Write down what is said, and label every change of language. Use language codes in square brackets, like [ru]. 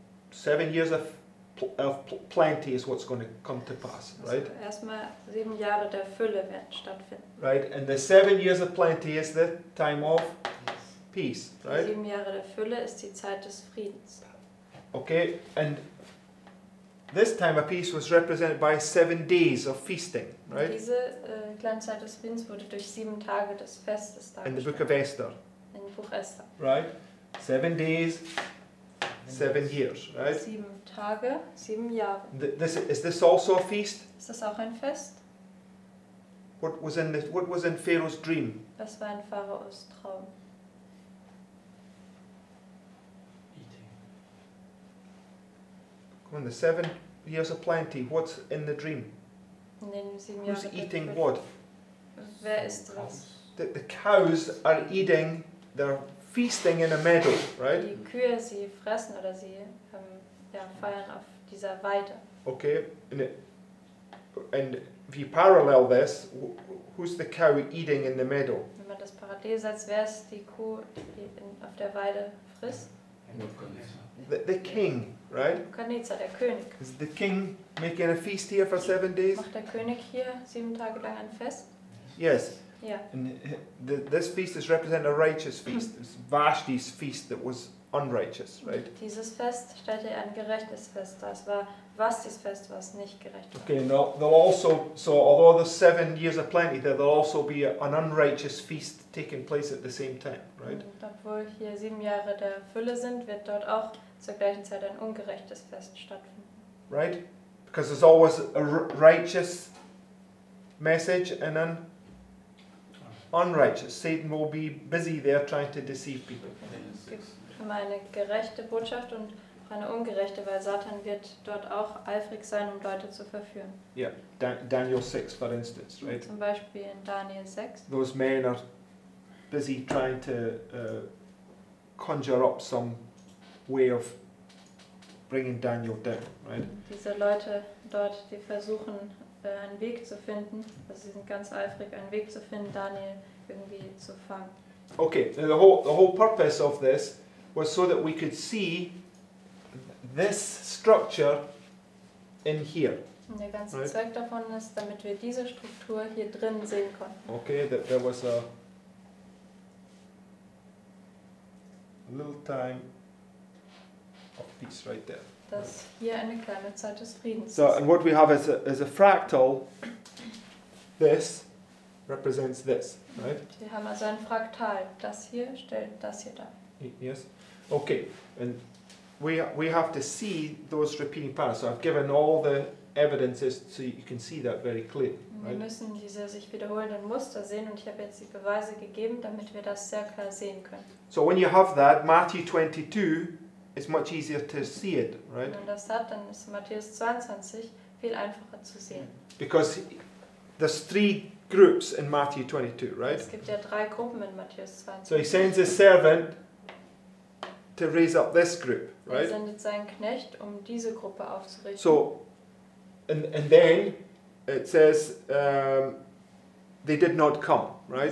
[en] 7 years of plenty is what's going to come to pass, right? [de] Erstmal 7 Jahre der Fülle werden stattfinden. [en] Right, and the 7 years of plenty is the time of peace, right? [de] 7 Jahre der Fülle ist die Zeit des Friedens. [en] Okay, and this time of peace was represented by 7 days of feasting, right? [de] Diese kleine Zeit des Friedens wurde durch 7 Tage des Festes dargestellt. [en] In the book of Esther. [de] In Buch Esther. [en] Right? 7 days, 7 years, right? [de] 7 Tage, 7 Jahre. [en] Is this also a feast? [de] Ist das auch ein Fest? [en] What was in Pharaoh's dream? [de] Was war in Pharaos Traum? [en] Eating. Come on, the 7 years of plenty. What's in the dream? [de] In den 7 Jahren. [en] Who's eating what? [de] Wer ist das? [en] The cows are eating. They're feasting in a meadow, right? [de] Die Kühe, sie fressen oder sie feiern auf dieser Weide. [en] Okay, and if you parallel this, who's the cow eating in the meadow? [de] Wenn man das parallel setzt, wer ist die Kuh, die auf der Weide frisst? [en] The king, right? [de] Kaniza, der König. [en] Is the king making a feast here for 7 days? [de] Macht der König hier 7 Tage lang ein Fest? [en] Yes. Yeah. And this feast is representing a righteous feast. It's Vashti's feast that was unrighteous, right? [de] Dieses Fest stellte ein gerechtes Fest dar. Es war Vashti's Fest, was nicht gerecht war. [en] Okay, now they'll also, so although there's 7 years of plenty, there will also be an unrighteous feast taking place at the same time, right? [de] Und obwohl hier 7 Jahre der Fülle sind, wird dort auch zur gleichen Zeit ein ungerechtes Fest stattfinden. [en] Right? Because there's always a righteous message and an unrighteous. Satan will be busy there trying to deceive people. [de] Es gibt immer eine gerechte Botschaft und eine ungerechte, weil Satan wird dort auch eifrig sein, um Leute zu verführen. [en] Yeah, Daniel 6, for instance, right? [de] Zum Beispiel in Daniel 6. [en] Those men are busy trying to conjure up some way of bringing Daniel down, right? [de] Diese Leute dort, die versuchen, einen Weg zu finden. Also sie sind ganz eifrig, einen Weg zu finden, Daniel irgendwie zu fangen. Okay, the whole purpose of this was so that we could see this structure in here. Und der ganze [en] right? [de] Zweck davon ist, damit wir diese Struktur hier drin sehen konnten. [en] Okay, that there was a little time of peace right there. [de] Dass hier eine kleine Zeit des Friedens [en] so, and what we have is a fractal, this represents this, right? [de] Wir haben also ein Fraktal, das hier stellt das hier dar. [en] Yes, okay, and we have to see those repeating patterns. So I've given all the evidences so you can see that very clearly. [de] Wir [en] right? [de] müssen diese sich wiederholenden Muster sehen und ich habe jetzt die Beweise gegeben, damit wir das sehr klar sehen können. [en] So when you have that, Matthew 22, it's much easier to see it, right? [de] Wenn man das hat, dann ist Matthäus 22 viel einfacher zu sehen. [en] Because there's 3 groups in Matthew 22, right? [de] Es gibt ja 3 Gruppen in Matthäus 22. [en] So he sends his servant to raise up this group, right? [de] Er sendet seinen Knecht, um diese Gruppe aufzurichten. [en] So, and then it says they did not come, right?